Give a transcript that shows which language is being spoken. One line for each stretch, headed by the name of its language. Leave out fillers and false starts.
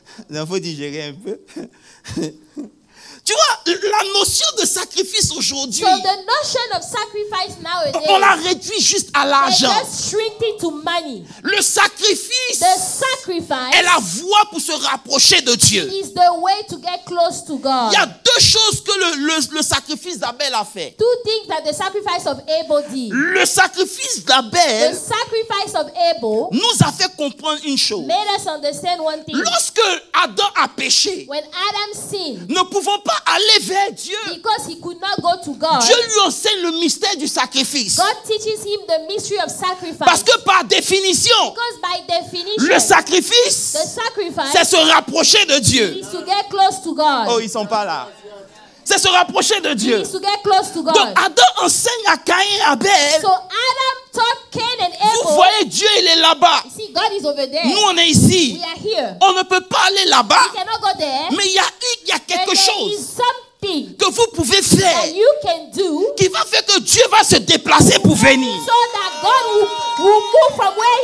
French: Il faut digérer un peu. Tu vois, la notion de sacrifice aujourd'hui,
English: so the notion of sacrifice nowadays,
French: on la réduit juste à l'argent.
English: They just shrink it to money.
French: Le sacrifice,
English: the sacrifice
French: est la voie pour se rapprocher de Dieu.
English: Is the way to get close to God.
French: Il y a deux choses que le sacrifice d'Abel a fait.
English: Two things that the sacrifice of Abel did.
French: Le sacrifice d'Abel,
English: the sacrifice of Abel
French: nous a fait comprendre une chose.
English: Made us understand one thing.
French: Lorsque Adam a péché,
English: when Adam sinned,
French: ne pouvons pas aller vers Dieu.
English: Because he could not go to God.
French: Dieu lui enseigne le mystère du sacrifice.
English: God teaches him the mystery of sacrifice.
French: Parce que par définition,
English: because by definition,
French: le sacrifice,
English: the sacrifice,
French: c'est se rapprocher de Dieu.
English: Is to get close to God.
French: Oh, ils sont pas là. C'est se rapprocher de Dieu.
English: Is to get close to God.
French: Donc Adam enseigne à Caïn et Abel.
English: So Adam taught Cain and Abel.
French: Vous voyez, Dieu il est là-bas.
English: You see, God is over there.
French: Nous on est ici.
English: We are here.
French: On ne peut pas aller là-bas.
English: We cannot go there.
French: Mais il y a quelque chose.
English: There is something
French: que vous pouvez faire.
English: That you can do.
French: Qui va faire que Dieu va se déplacer pour venir.
English: So that God will move from where he